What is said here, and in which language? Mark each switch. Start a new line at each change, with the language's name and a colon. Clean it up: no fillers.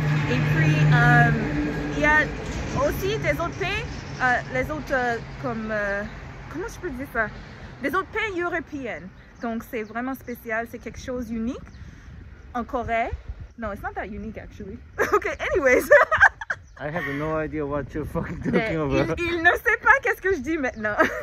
French: Et puis il y a aussi des autres pains, les autres comme comment je peux dire ça, des autres pains européens. Donc c'est vraiment spécial, c'est quelque chose d'unique en Corée.
English: No, it's not that unique actually. Okay, anyways. I have no idea what you're fucking talking about.
French: Il ne sait pas qu'est-ce que je dis maintenant.